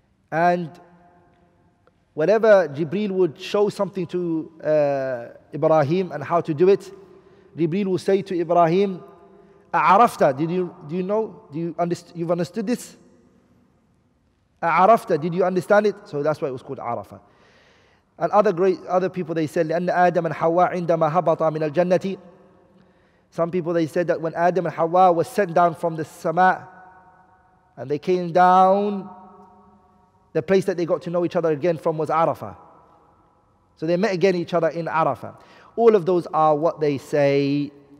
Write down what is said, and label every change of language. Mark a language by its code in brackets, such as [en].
[en] And whenever Jibreel would show something to Ibrahim and how to do it, Jibreel would say to Ibrahim, A'arafta, did you know? You've understood this? A'arafta, did you understand it? So that's why it was called Arafah. And other people they said, [ar] لأن آدم الحواء عندما هبط من الجنة. [en] Some people they said that when Adam and Hawa was sent down from the Sama and they came down, the place that they got to know each other again from was Arafah. So they met again each other in Arafah. All of those are what they say.